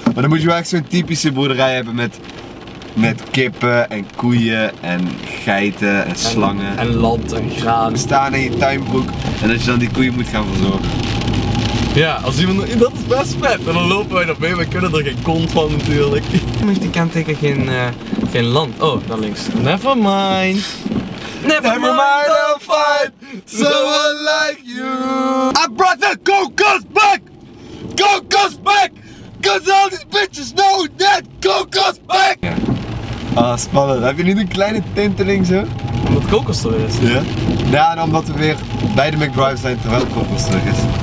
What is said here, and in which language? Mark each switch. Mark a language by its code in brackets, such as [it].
[nl] Maar dan moet je wel echt zo'n typische boerderij hebben met kippen en koeien en geiten en slangen. En land en graan. Staan in je tuinbroek en dat je dan die koeien moet gaan verzorgen. Ja, als iemand, dat is best vet. En dan lopen wij nog mee, we kunnen er geen kont van natuurlijk. Die kenteken geen land. Oh, daar links. [en] Never mind. Never mind, I'll find someone like you. I brought the cocos back. Cocos back. Cause all these bitches know that cocos back. [nl] Ah, spannend. Heb je niet een kleine tinteling zo? Omdat kokos er weer is. Ja. Ja, en omdat we weer bij de McDrive zijn terwijl kokos terug is.